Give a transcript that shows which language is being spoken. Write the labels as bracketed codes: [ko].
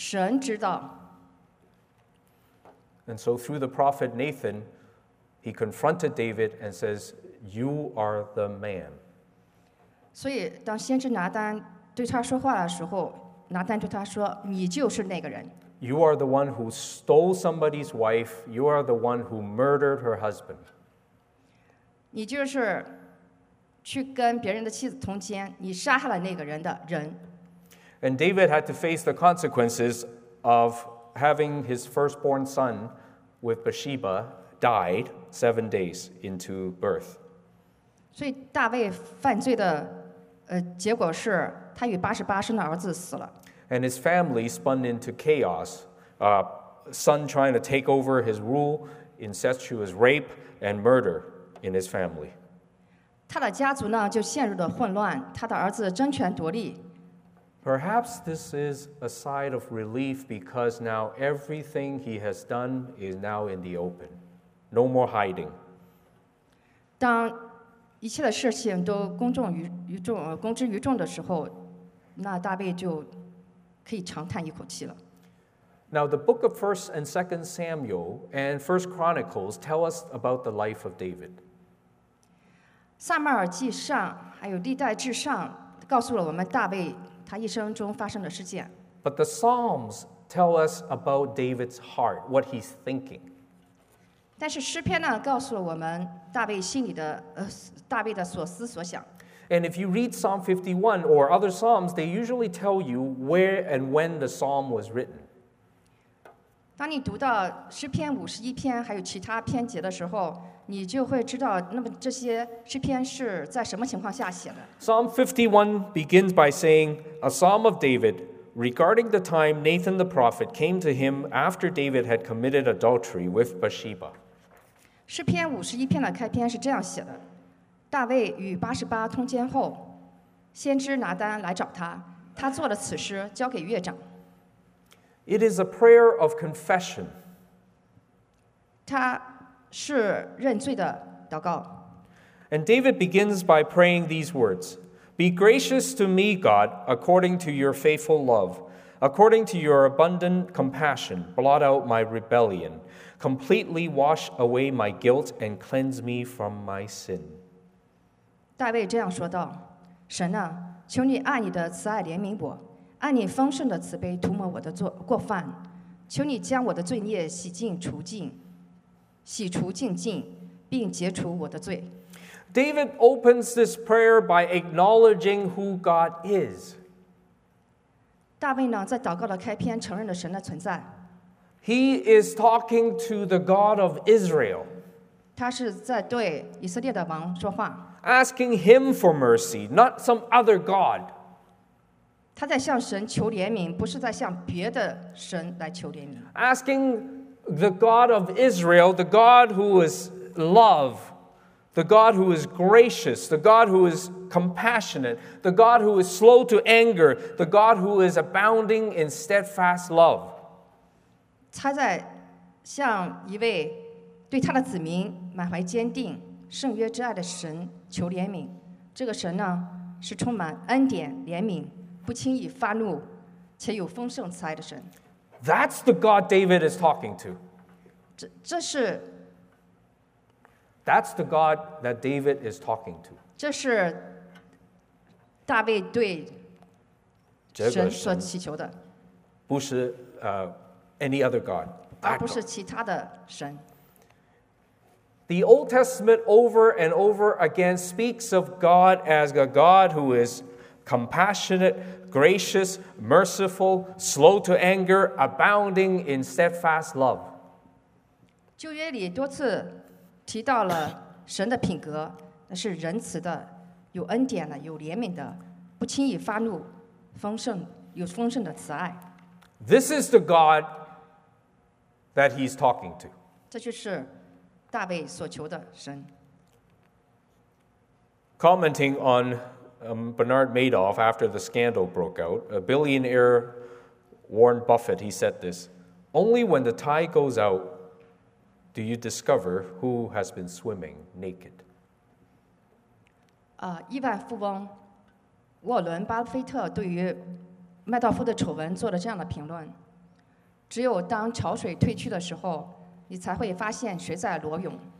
[en] And so through the prophet Nathan, he confronted David and says, You are the man. [zh] 所以当先知拿单对他说话的时候, 拿单对他说, 你就是那个人。 [en] You are the one who stole somebody's wife. You are the one who murdered her husband. [zh] 你就是去跟别人的妻子通奸, 你杀害了那个人的人。 [en] And David had to face the consequences of having his firstborn son with Bathsheba died 7 days into birth. [zh] 所以大卫犯罪的, 结果是他与八十八生的儿子死了。 [en] And his family spun into chaos, son trying to take over his rule, incestuous rape and murder in his family. [zh] 他的家族呢, 就陷入了混乱, 他的儿子争权夺利。 [en] Perhaps this is a sign of relief because now everything he has done is now in the open. No more hiding. [zh] 当一切的事情都公众于众, 公之于众的时候, 那大卫就, 可以长叹一口气了。 [en] Now the book of 1 and 2 Samuel and 1 Chronicles tell us about the life of David. [zh] 撒母耳记上还有历代志上告诉了我们大卫他一生中发生的事件。 [en] But the Psalms tell us about David's heart, what he's thinking. [zh] 但是诗篇呢告诉了我们大卫心里的大卫的所思所想。 [en] And if you read Psalm 51 or other Psalms, they usually tell you where and when the Psalm was written. [zh] 当你读到诗篇五十一篇还有其他篇节的时候，你就会知道，那么这些诗篇是在什么情况下写的。 [en] Psalm 51 begins by saying, "A psalm of David regarding the time Nathan the prophet came to him after David had committed adultery with Bathsheba." [zh] 诗篇五十一篇的开篇是这样写的：大卫与八十八通奸后，先知拿单来找他，他做了此事交给月长。 [en] It is a prayer of confession. [zh] 他是认罪的祷告。 [en] And David begins by praying these words, "Be gracious to me, God, according to your faithful love, according to your abundant compassion, blot out my rebellion, completely wash away my guilt and cleanse me from my sin." [zh] 大卫这样说道，神啊，求你按你的慈爱怜悯我。按你丰盛的慈悲涂抹我的罪过犯，求你将我的罪孽洗净除净，洗除净尽，并解除我的罪。 [en] David opens this prayer by acknowledging who God is. [zh] 大卫呢，在祷告的开篇承认了神的存在。 [en] He is talking to the God of Israel. [zh] 他是在对以色列的王说话。 [en] Asking him for mercy, not some other God. [zh] 他在向神求怜悯，不是在向别的神来求怜悯。 [en] Asking the God of Israel, the God who is love, the God who is gracious, the God who is compassionate, the God who is slow to anger, the God who is abounding in steadfast love. [zh] 他在向一位对他的子民满怀坚定、圣约之爱的神求怜悯。这个神呢，是充满恩典、怜悯。不轻易发怒，且有丰盛慈爱的神。 [en] That's the God David is talking to. [zh] 这是。 [en] That's the God that David is talking to. [zh] 这是大卫对神所祈求的。不是 [en] any other God. [zh] 而不是其他的神。 [en] The Old Testament over and over again speaks of God as a God who is compassionate. Gracious, merciful, slow to anger, abounding in steadfast love. [zh] 旧约里多次提到了神的品格，那是仁慈的，有恩典的，有怜悯的，不轻易发怒，丰盛，有丰盛的慈爱。 [en] This is the God that he's talking to. [zh] 这就是大卫所求的神。 [en] Commenting on. Bernard Madoff, after the scandal broke out, a billionaire Warren Buffett, he said this, "Only when the tide goes out do you discover who has been swimming naked." [zh] 亿万富翁沃伦·巴菲特对于麦道夫的丑闻做了这样的评论，只有当潮水退去的时候，你才会发现谁在裸泳。